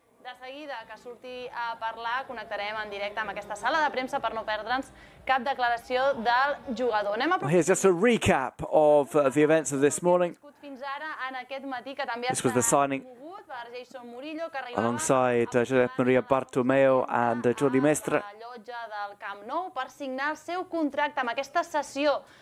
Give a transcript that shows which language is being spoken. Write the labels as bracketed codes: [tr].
[ca] De seguida que surti a parlar, connectarem en directe amb aquesta sala de premsa per no perdre'ns cap declaració del jugador. Anem a... [en] Well, here's just a recap of the events of this morning. [ca] Fins ara, en aquest matí, que també [en] this was the signing [ca] per Jason Murillo, que arribava... [en] alongside Josep Maria Bartomeu and Jordi Mestre. [ca] ...a la llotja del Camp Nou per signar el seu contracte amb aquesta sessió...